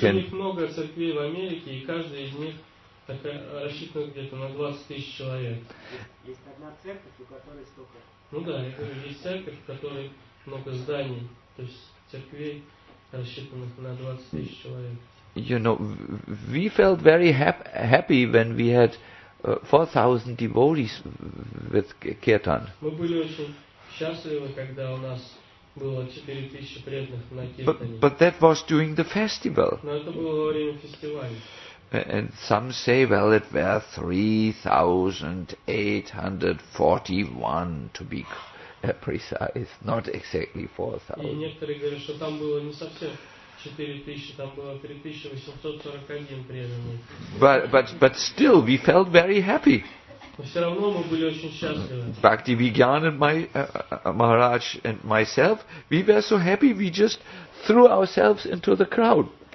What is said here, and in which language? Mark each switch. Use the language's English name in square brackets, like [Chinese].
[Russian] То есть у них много церквей в Америке, и каждая из них рассчитана где-то на 20,000 человек. Есть одна церковь, у которой столько. Ну да, есть церковь, у которой много зданий, то есть церквей рассчитанных на 20,000 человек. [English] You know, we felt very happy when we had 4,000 devotees with kirtan. [Russian] Мы были очень счастливы, когда у нас было 4,000 преданных на киртане. [English] But that was during the festival. [Russian] Но это было во время фестиваля. [English] And some say, well, it were 3,841 to be precise, not exactly 4,000. [Russian] И некоторые говорят, что там было не совсем 4,000, там было 3,841 преданный. [English] But still, we felt very happy. [Russian] Но все равно мы были очень счастливы. [English] Bhakti Vigyan and my Maharaj and myself, we were so happy, we just threw ourselves into the crowd.